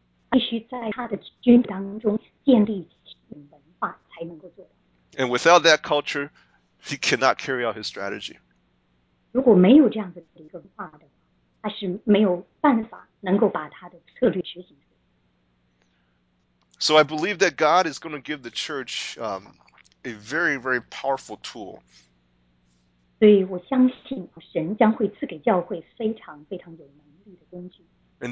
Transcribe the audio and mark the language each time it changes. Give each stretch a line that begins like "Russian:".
Chinese: 必须在他的军当中建立文化才能够做到。
English: And without that culture, he cannot carry out his strategy.
Chinese: 如果没有这样子的一个文化的话，他是没有办法能够把他的策略执行。
English: So I believe that God is going to give the church a very, very powerful tool.
Chinese: 所以我相信神将会赐给教会非常非常有能力的工具。
English: And